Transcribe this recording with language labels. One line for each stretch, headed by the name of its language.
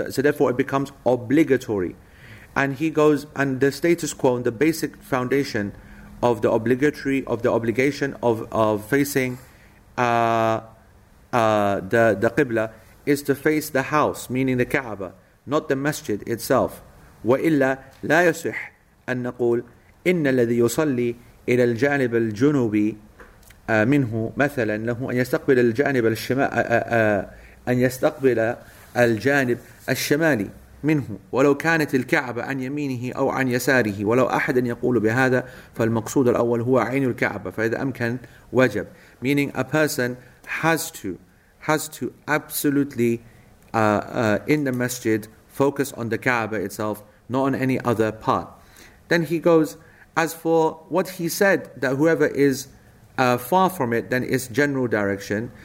English: So therefore, it becomes obligatory. And he goes, and the status quo and the basic foundation of the obligatory of the obligation of facing the Qibla is to face the house, meaning the Kaaba, not the masjid itself.
Arabic: وَإِلَّا لَا يَسُحْ أَن نَقُولَ إِنَّ الَّذِي يُصَلِّي إِلَى الْجَانِبِ الْجُنُوبِ مِنْهُ مَثَلًا لَهُ أَن يَسْتَقْبِلَ الْجَانِبَ الشِّمَالِ أَن يَسْتَقْبِلَ الْجَانِبَ الشِّمَالِ منه ولو كانت الكعبة عن يمينه أو عن يساره ولو أحد يقول بهذا فالمقصود الأول هو عين الكعبة فإذا أمكن وجب.
English: Meaning a person has to absolutely in the masjid focus on the Kaaba itself, not on any other part. Then he goes, as for what he said, that whoever is far from it, then it's general direction.